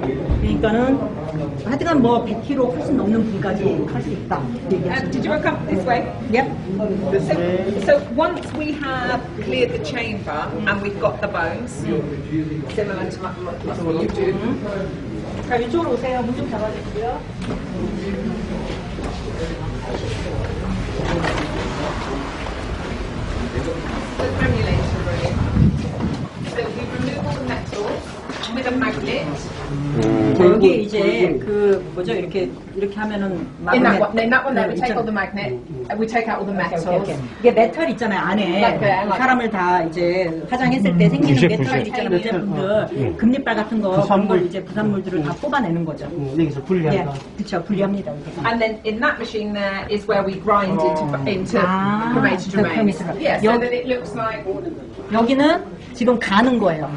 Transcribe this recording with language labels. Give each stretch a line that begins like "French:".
Korean: 그러니까는 하여간 뭐 100kg 훨씬 넘는 분까지 할 수 있다.
English: Did you work up this way? Yep. So once we have cleared the chamber and we've got the bones, similar to what you do.
Korean: 자, 이쪽으로 오세요. 문 좀 잡아주시고요.
English: The cremulation room. So we remove all the metals with a magnet.
Korean: 여기 이제 그 뭐죠 이렇게 이렇게 하면은 마그넷.
English: In that one, in that one, we take all the magnet. We take out all the metals. Okay, okay.
Korean: 이게 메탈 있잖아요 안에
English: like
Korean: 사람을 다 이제 화장했을 때 생기는 부재, 메탈 부재. 있잖아요 부재품들 금립발 같은 거 부산물. 이제 부산물들을 다 뽑아내는 거죠. 여기서 분리한다. 그렇죠 분리합니다.
English: And then in that machine there is where we grind it into cremated remains. Yeah, so that it looks like
Korean: 여기는 지금 가는 거예요.